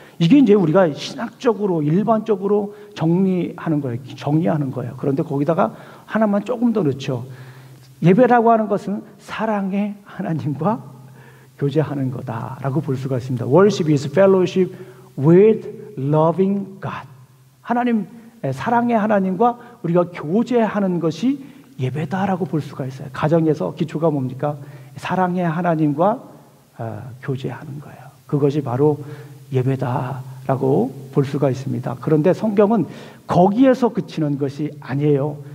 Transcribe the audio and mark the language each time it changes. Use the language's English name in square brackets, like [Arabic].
[Korean] 이게 이제 우리가 신학적으로 일반적으로 정리하는 거예요. 정리하는 거예요. 그런데 거기다가 하나만 조금 더 넣죠. 예배라고 하는 것은 사랑의 하나님과 교제하는 거다라고 볼 수가 있습니다. [English] Worship is fellowship with loving God. [Korean] 하나님, 사랑의 하나님과 우리가 교제하는 것이 예배다라고 볼 수가 있어요. 가정에서 기초가 뭡니까? 사랑의 하나님과 교제하는 거예요. 그것이 바로 예배다라고 볼 수가 있습니다. 그런데 성경은 거기에서 그치는 것이 아니에요.